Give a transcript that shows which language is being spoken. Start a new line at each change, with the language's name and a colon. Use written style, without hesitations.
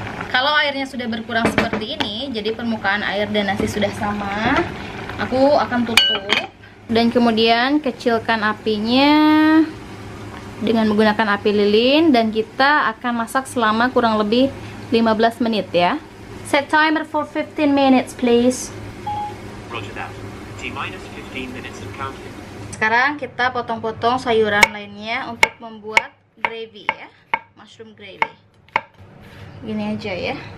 Indonesian: Kalau airnya sudah berkurang seperti ini, jadi permukaan air dan nasi sudah sama, aku akan tutup dan kemudian kecilkan apinya dengan menggunakan api lilin, dan kita akan masak selama kurang lebih 15 menit ya.
English: Set timer for 15 minutes please. Roger that. T-minus 15 minutes and counting.
Indonesian: Sekarang kita potong-potong sayuran lainnya untuk membuat gravy ya, mushroom gravy. Gini aja ya.